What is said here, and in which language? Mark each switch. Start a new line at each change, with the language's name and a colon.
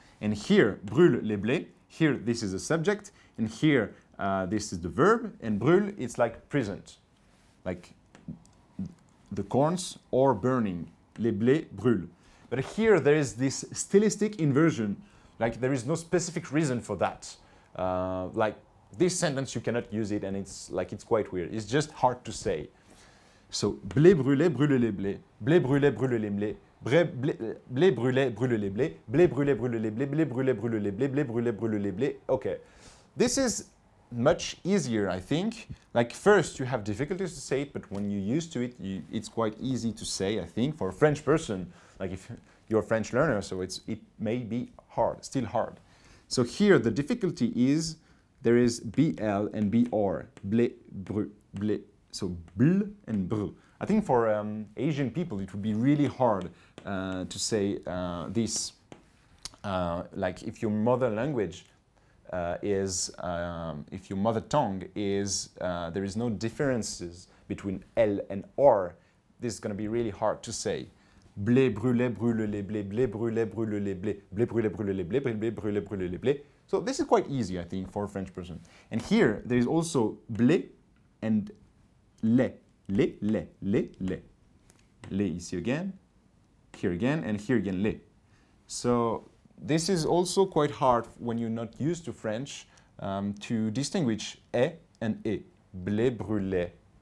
English: And here,
French: brûle les blés,
English: here this is a subject, and here this is the verb, and brûle, it's like present, like the corns or burning.
French: Les blés brûlent.
English: But here there is this stylistic inversion, like there is no specific reason for that. Like this sentence, you cannot use it, and it's like it's quite weird. It's just hard to say.
French: So blé brûlé brûle les blés, blé brûlé brûle les blés, blé brûlé brûle les blés, blé brûlé brûle les blés, blé brûlé brûle les blés, blé brûlé brûle les blés.
English: Okay, this is much easier, I think. Like first you have difficulties to say it, but when you're used to it, it's quite easy to say, I think, for a French person. Like if you're a French learner, so it may be hard, still hard. So here the difficulty is there is BL and BR, blé, brûle, blé. So bl and br. I think for Asian people it would be really hard to say this. Like if your mother language is, if your mother tongue is, there is no differences between L and R, this is going to be really hard to say.
French: Blé brûlé brûle les blés, blé brûlé brûle les blés, blé brûlé brûle les blés, blé brûlé brûle les blés.
English: So this is quite easy, I think, for a French person. And here there is also blé and les, les, les, les, les.
French: Les ici
English: again, here again, and here again, les. So this is also quite hard when you're not used to French to distinguish et and et.
French: Blé brûlé.